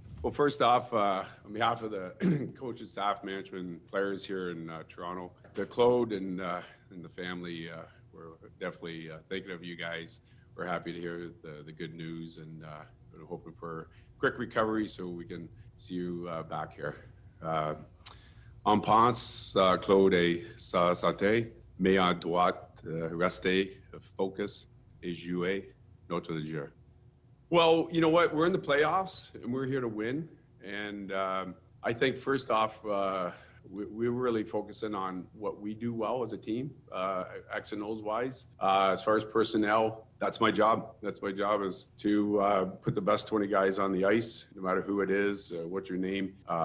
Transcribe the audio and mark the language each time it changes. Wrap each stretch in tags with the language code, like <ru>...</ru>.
<en>Well, first off, on behalf of the coaching staff, management, players here in Toronto, to Claude and the family, we're definitely thinking of you guys. We're happy to hear the good news and hoping for quick recovery so we can see you back here.</en> <fr>En pense, Claude et sa santé, mais on doit rester focus et jouer notre jeu.</fr> <en>Well, you know what? We're in the playoffs and we're here to win. And I think first off, we're really focusing on what we do well as a team, X and O's wise. As far as personnel, that's my job. That's my job is to put the best 20 guys on the ice, no matter who it is, what's your name.</en>